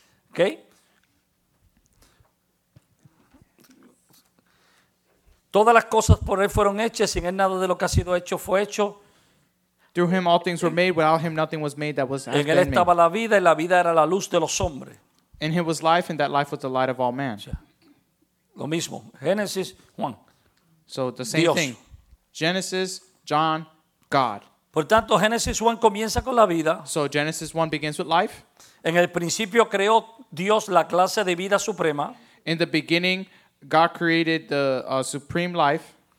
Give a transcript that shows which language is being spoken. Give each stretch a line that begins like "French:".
Spanish: Okay. Todas las cosas por él fueron hechas, sin él nada de lo que ha sido hecho fue hecho.
English: Through him all things were made, without him nothing was made that was
Spanish: En él estaba
English: made.
Spanish: La vida y la vida era la luz de los hombres.
English: In him was life and that life was the light of all men. Yeah.
Spanish: Lo mismo, Genesis, Juan.
English: So the same
Spanish: Dios.
English: Thing. Genesis, John, God.
Spanish: Por tanto, Genesis 1 comienza con la vida.
English: So Genesis 1 begins with life.
Spanish: En el principio creó Dios la clase de vida suprema.
English: In the beginning, God created the supreme life.